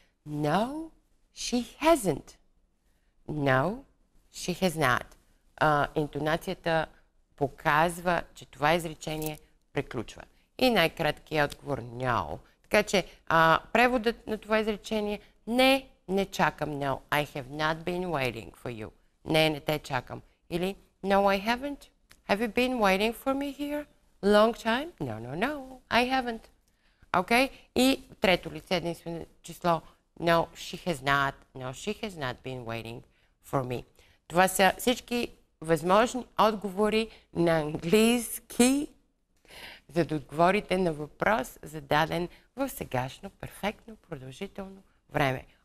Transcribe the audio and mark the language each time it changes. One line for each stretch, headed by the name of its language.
English: No, she hasn't. No, she has not.
Bulgarian: Интонацията показва, че това изречение приключва. И най-краткият отговор – no. Така че преводът на това изречение – не, не чакам.
English: No, I have not been waiting for you.
Bulgarian: Не, не те чакам. Или
English: no, I haven't. Have you been waiting for me here? Long time? No, no, no, I haven't. Okay?
Bulgarian: И трето лице, единствено число.
English: No, she has not. No, she has not been waiting for me.
Bulgarian: Това са всички възможни отговори на английски, за да отговорите на въпрос, зададен в сегашно, перфектно, продължително време.